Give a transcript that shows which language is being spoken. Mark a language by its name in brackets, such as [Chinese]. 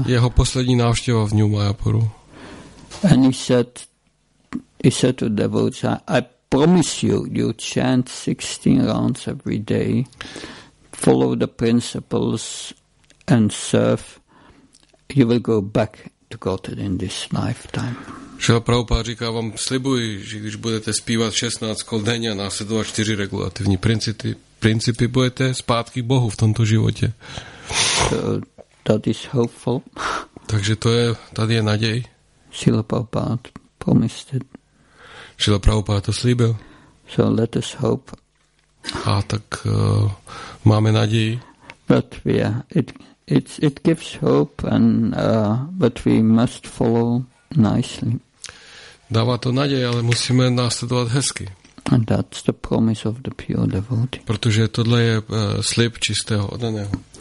[Czech] Jeho poslední návštěva v New Mayapuru. [English] And he said to devotees, I promise you chant 16 rounds every day, follow the principles and serve, you will go back to Godhead in this lifetime. [Czech] Srila Prabhupada říká, vám slibuji, že když budete zpívat 16 kol denně a následovat 4 regulativní principy, budete zpátky Bohu v tomto životě. [English] So that is hopeful. [Czech] Takže tady je naděj. [English] Srila Prabhupada promised it. [Czech] Srila Prabhupada to slíbil. [English] So let us hope. [Czech] A tak máme naději. [English] But yeah, it gives hope and but we must follow nicely. [Czech] Dává to naděj, ale musíme následovat hezky. [English] And that's the promise of the pure devotee. [Czech] Protože tohle je slib čistého oddaného.